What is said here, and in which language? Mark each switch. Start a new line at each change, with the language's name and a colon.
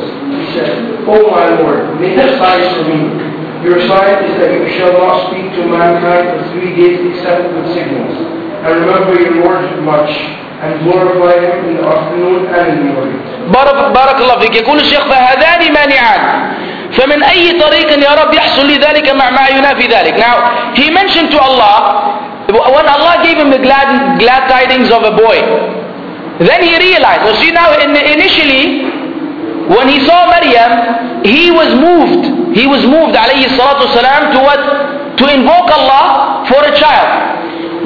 English: does what He wills. He said, oh my Lord, make a sign for me. Your sign is that you shall not speak to mankind for 3 days except with signals. And remember your words much, and glorify Him in the afternoon and in the morning.
Arabic: بارك الله فيك. يقول الشيخ, فهذان مانعان. فمن أي طريق يا رب يحصل لذلك مع ما ينافي ذلك.
English: Now, he mentioned to Allah, when Allah gave him the glad tidings of a boy, then he realized, you see now, initially, when he saw Maryam, he was moved. He was moved, alayhi salatu wasalam, to invoke Allah for a child.